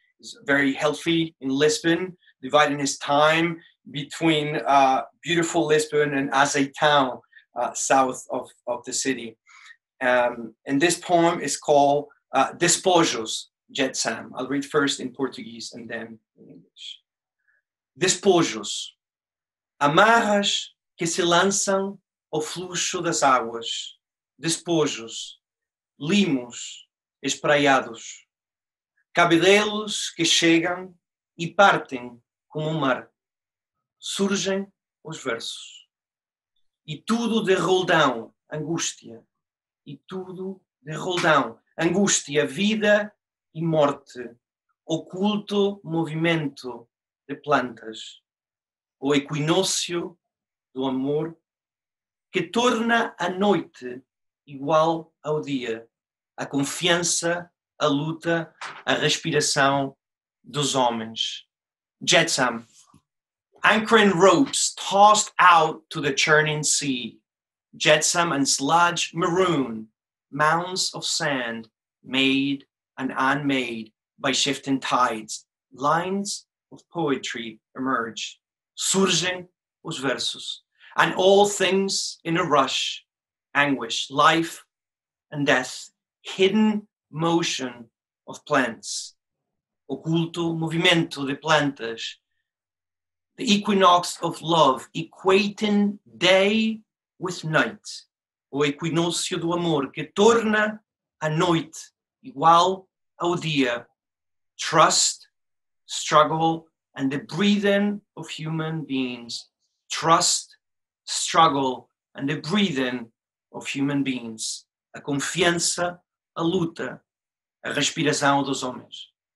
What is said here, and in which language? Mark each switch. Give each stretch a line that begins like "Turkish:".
English: He's very healthy in Lisbon, dividing his time between beautiful Lisbon and Azeitão, south of the city. And this poem is called Despojos, Jetsam. I'll read first in Portuguese and then in English.
Portuguese: Despojos, amarras que se lançam ao fluxo das águas. Despojos, limos espraiados. Cabelos que chegam e partem como o mar. Surgem os versos. E tudo de roldão, angústia. E tudo de roldão, angústia, vida e morte. Oculto movimento de plantas. O equinócio do amor que torna a noite igual ao dia. A confiança, a luta, a respiração dos homens.
English: Jetsam. Anchoring ropes tossed out to the churning sea. Jetsam and sludge maroon, mounds of sand made and unmade by shifting tides. Lines of poetry emerge.
Portuguese: Surgem os versos.
English: And all things in a rush, anguish, life and death, hidden motion of plants.
Portuguese: Oculto movimento de plantas.
English: The equinox of love, equating day with night.
Portuguese: O equinócio do amor, que torna a noite igual ao dia.
English: Trust, struggle, and the breathing of human beings. Trust, struggle, and the breathing of human beings.
Portuguese: A confiança, a luta, a respiração dos homens.